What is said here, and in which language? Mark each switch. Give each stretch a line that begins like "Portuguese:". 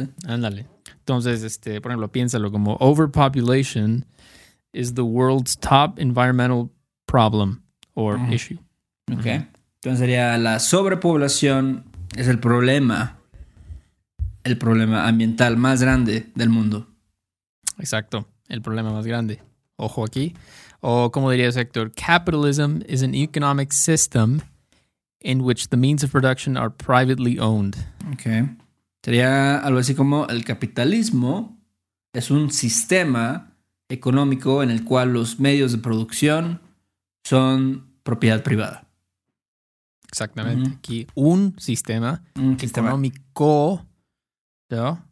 Spanish: Ándale. Entonces, por ejemplo, piénsalo como
English: overpopulation is the world's top environmental problem or issue. Ok.
Spanish: Entonces sería la sobrepoblación es el problema ambiental más grande del mundo. Exacto, el problema más grande. Ojo aquí. O como dirías, Héctor,
English: capitalism is an economic system in which the means of production are privately owned. Okay.
Spanish: Sería algo así como el capitalismo es un sistema económico en el cual los medios de producción son propiedad privada. Exactamente. Uh-huh. Aquí un sistema económico, ¿no?